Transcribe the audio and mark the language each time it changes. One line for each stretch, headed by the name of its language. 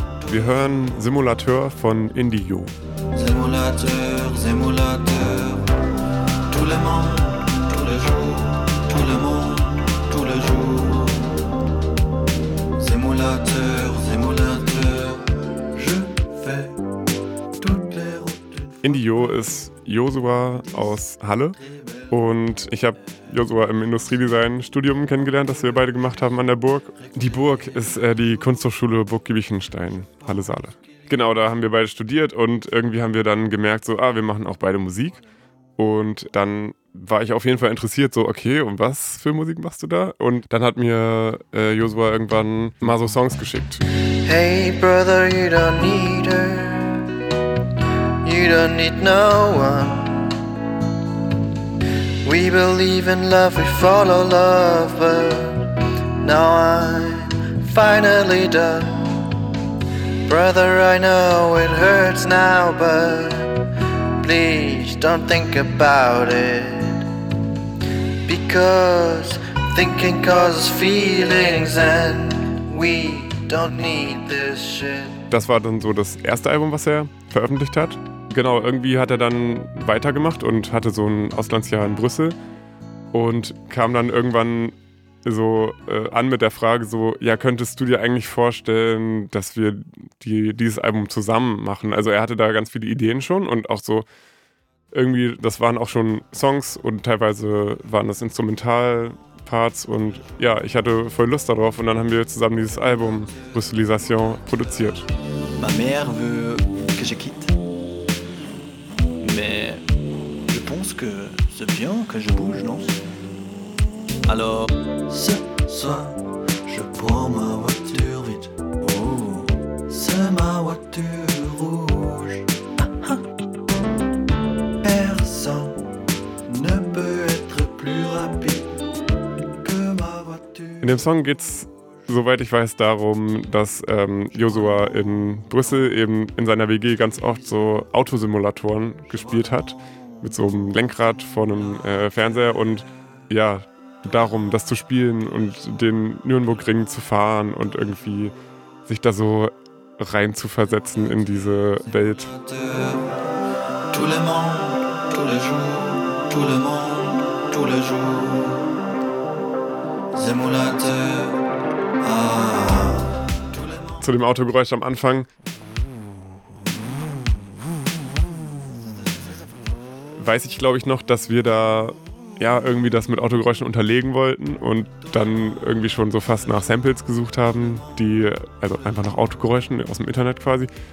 German: Wir hören Simulateur von Indio.
French: Simulateur, Simulateur, tout le monde, tout le jour, tout le monde, tout le jour. Simulateur, Simulateur, je fais toutes les routes.
German: Indio ist Joshua aus Halle und ich habe Joshua im Industriedesign-Studium kennengelernt, das wir beide gemacht haben an der Burg. Die Burg ist die Kunsthochschule Burg Giebichenstein, Halle Saale. Genau, da haben wir beide studiert und irgendwie haben wir dann gemerkt, so, wir machen auch beide Musik. Und dann war ich auf jeden Fall interessiert, so, okay, und was für Musik machst du da? Und dann hat mir Joshua irgendwann mal so Songs geschickt.
English: Hey brother, you don't need her. You don't need no one. We believe in love, we follow love, but now I'm finally done. Brother, I know it hurts now, but please don't think about it. Because thinking causes feelings and we don't need this shit.
German: Das war dann so das erste Album, was er veröffentlicht hat. Genau, irgendwie hat er dann weitergemacht und hatte so ein Auslandsjahr in Brüssel und kam dann irgendwann so an mit der Frage so, ja, könntest du dir eigentlich vorstellen, dass wir dieses Album zusammen machen? Also er hatte da ganz viele Ideen schon und auch so irgendwie, das waren auch schon Songs und teilweise waren das Instrumentalparts und ja, ich hatte voll Lust darauf und dann haben wir zusammen dieses Album Brüsselisation produziert.
French: Ma mère veut que je quitte. Mais je pense que c'est bien que je bouge, non? Alors, ce soir, je prends ma voiture vite. Oh, c'est ma voiture rouge. Personne ne peut être plus rapide que ma voiture.
German: In dem Song geht's, soweit ich weiß, darum, dass Joshua in Brüssel eben in seiner WG ganz oft so Autosimulatoren gespielt hat mit so einem Lenkrad vor einem Fernseher und ja, darum, das zu spielen und den Nürnbergring zu fahren und irgendwie sich da so rein zu versetzen in diese Welt.
French: Tout le monde, tous les jours, tout le monde, tous les jours. Simulateur.
German: Zu dem Autogeräusch am Anfang. Weiß ich, glaube ich, noch, dass wir da ja irgendwie das mit Autogeräuschen unterlegen wollten und dann irgendwie schon so fast nach Samples gesucht haben, die, also einfach nach Autogeräuschen aus dem Internet quasi.